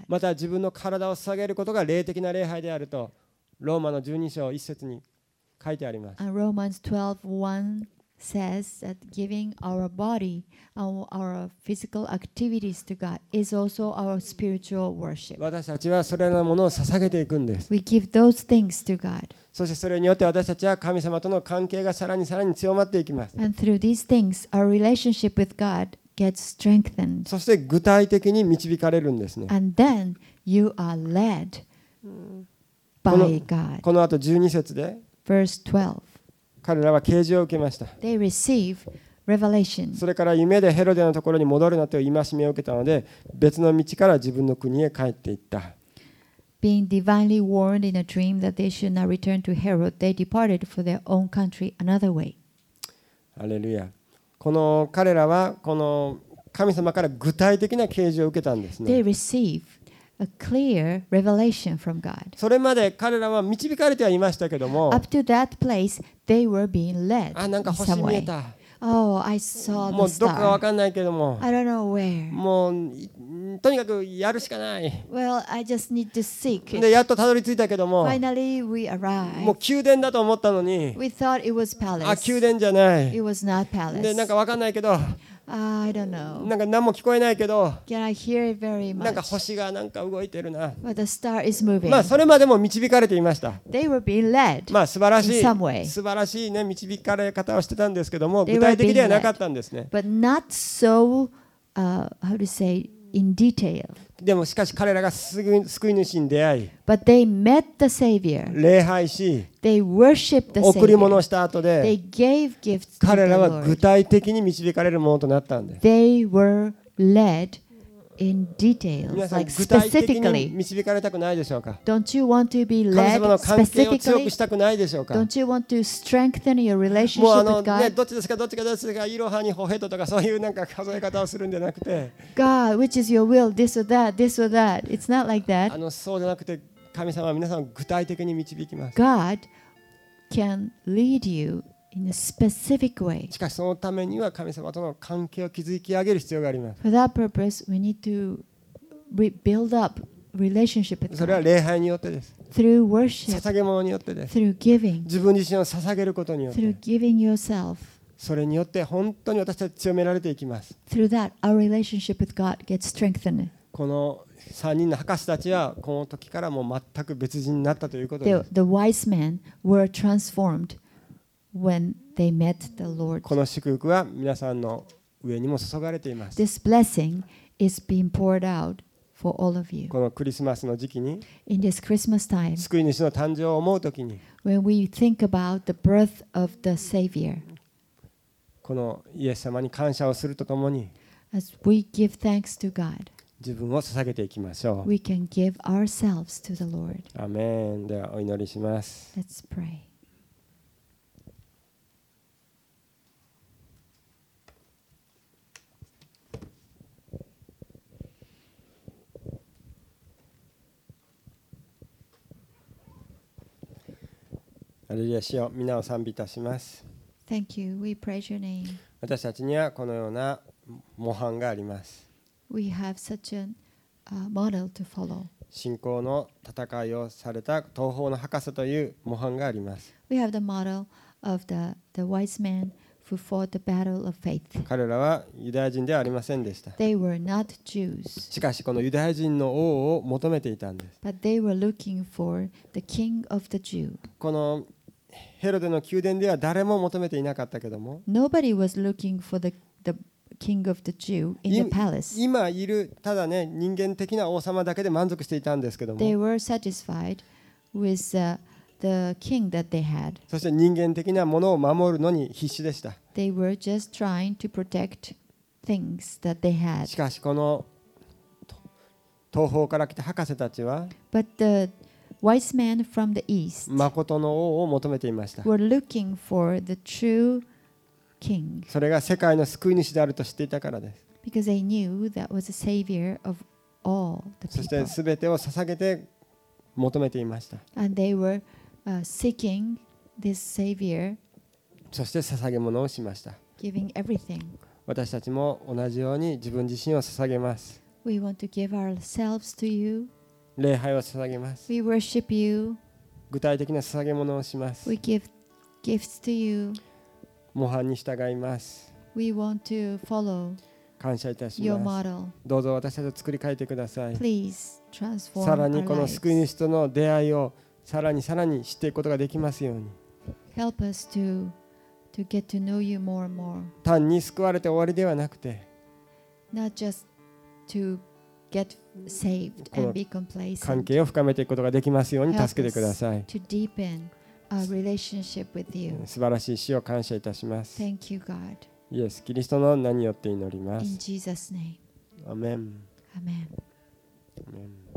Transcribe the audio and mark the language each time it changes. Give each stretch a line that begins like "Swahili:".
Japanese: また自分の体を下げることが霊的な礼拝であると、ローマの12章1節に書いてあります。
English: And Romans 12:1says that giving our body and our physical activities to God is also our spiritual worship.
Japanese: 私たちはそれらのものを捧げていくんです。
English: We give those things to God.
Japanese: そしてそれによって私たちは神様との関係がさらに強まっていきます。
English: And through these things, our relationship with God gets strengthened.
Japanese: そして具体的に導かれるんですね。
English: And then you are led by God.
Japanese: この後12節で。
English: Verse 12.
Japanese: 彼らは啓示を受けました。
English: They receive revelation.
Japanese: それから夢でヘロデのところに戻るなという戒めを受けたので、別の道から自分の国へ帰っていった。
English: Being divinely warned in a dream that they should not return to Herod, they departed for their own country another way.
Japanese: アレルヤ。この彼らはこの神様から具体的な啓示を受けたんですね。
English: They receive a clear revelation from God.
Japanese: それまで彼らは導かれてはいましたけども、
English: up to that place, they were being led.
Japanese: あ、なんか星見えた。
English: Oh, I saw the star.
Japanese: もうどこかわかんないけども。
English: I don't know where.
Japanese: もうとにかくやるしかない。
English: Well, I just need to seek.
Japanese: でやっとたどり着いたけども。
English: Finally, we arrived.
Japanese: もう宮殿だと思ったのに。
English: We thought it was palace.
Japanese: あ、宮殿じゃない。
English: It was not palace.
Japanese: でなんかわかんないけど。
English: I don't know.
Japanese: なんか何も聞こえないけど。
English: Can I hear it very much?
Japanese: なんか星がなんか動いてるな。
English: But the star is moving.
Japanese: まあそれまでも導かれていました。
English: They were being led.
Japanese: まあ素晴らしい。
English: In some way.
Japanese: 素晴らしいね、導かれ方をしてたんですけども、具体的ではなかったんですね。
English: But not so, how to say, in detail.
Japanese: でもしかし彼らが救い主に出会い。
English: But they met the Savior.
Japanese: 礼拝し。
English: They worshiped the Savior.
Japanese: 贈り物をした後で。
English: They gave gifts to the Lord.
Japanese: 彼らは具体的に導かれるものとなったんで。
English: They were led in details, like specifically.
Japanese: 具体的に導かれたくないでしょうか。
English: Don't you want to be led specifically?
Japanese: 神様の関係を強くしたくないでしょうか。
English: Don't you want to strengthen your relationship with God?
Japanese: もうね、どっちですか、どっちかどっちか、イロハにホヘトとかそういうなんか数え方をするんじゃなくて。
English: God, which is your will? This or that? This or that? It's not like that.
Japanese: そうじゃなくて。神様は皆さんを具体的に導きます。
English: God can lead you in a specific way.
Japanese: しかしそのためには神様との関係を築き上げる必要があります。
English: For that purpose, we need to build up relationship with God.
Japanese: それは礼拝によってです。
English: Through worship.
Japanese: 捧げ物によってです。
English: Through giving.
Japanese: 自分自身を捧げることによって。
English: Through giving yourself.
Japanese: それによって本当に私たち強められていきます。
English: Through that, our relationship with God gets strengthened.
Japanese: この3人の博士たちはこの時からもう全く別人になったということです。
English: The wise men were transformed when they met the Lord.
Japanese: この祝福は皆さんの上にも注がれています。
English: This blessing is being poured out for all of you.
Japanese: このクリスマスの時期に、
English: In this Christmas time,
Japanese: 救い主の誕生を思う時に、
English: When we think about the birth of the Savior,
Japanese: このイエス様に感謝をするとともに、
English: As we give thanks to God.
Japanese: 自分を捧げていきましょう。
English: We can give ourselves to the Lord.
Japanese: アメン。ではお祈りします。
English: Let's pray.
Japanese: 主よ、皆を賛美いたします。
English: Thank you. We praise your name.
Japanese: 私たちにはこのような模範があります。
English: We have such a model to follow.
Japanese: 信仰の戦いをされた東方の博士という模範があります。
English: We have the model of the wise man who fought the battle of faith.
Japanese: 彼らはユダヤ人ではありませんでした。
English: They were not Jews.
Japanese: しかしこのユダヤ人の王を求めていたんです。
English: But they were looking for the king of the Jew.
Japanese: このヘロデの宮殿では誰も求めていなかったけども。
English: Nobody was looking for the King of the Jew in the palace.
Japanese: 今いるただね人間的な王様だけで満足していたんですけども。
English: They were satisfied with the king that they had.
Japanese: そして人間的なものを守るのに必死でした。
English: They were just trying to protect things that they had.
Japanese: しかしこの東方から来た博士たちは。
English: But the wise men from the east.
Japanese: 誠の王を求めていました。
English: Were looking for the true.
Japanese: それが世界の救い主であると知っていたからです。
English: Because they knew that was the savior of all the people.
Japanese: そして全てを捧げて求めていました。
English: And they were seeking this savior.
Japanese: そして捧げ物をしました。
English: Giving everything.
Japanese: 私たちも同じように自分自身を捧げます。
English: We want to give ourselves to you.
Japanese: 礼拝を捧げます。
English: We worship you.
Japanese: 具体的な捧げ物をします。
English: We give gifts to you.
Japanese: 模範に従います。
English: We want to follow
Japanese: 感謝いたします。
English: Your model.
Japanese: どうぞ私たちを作り変えてください。
English: Please transform our lives.
Japanese: さらにこの救い主との出会いをさらにさらに知っていくことができますように。
English: Help us to get to know you more and more.
Japanese: 単に救われて終わりではなくて、
English: Not just to get saved and be complacent.
Japanese: 関係を深めていくことができますように助けてください。
English: To deepen our relationship with you.
Japanese: 素晴らしい主を感謝いたします。
English: Thank you, God.
Japanese: イエス、キリストの名によって祈ります。
English: In Jesus' name. Amen. Amen.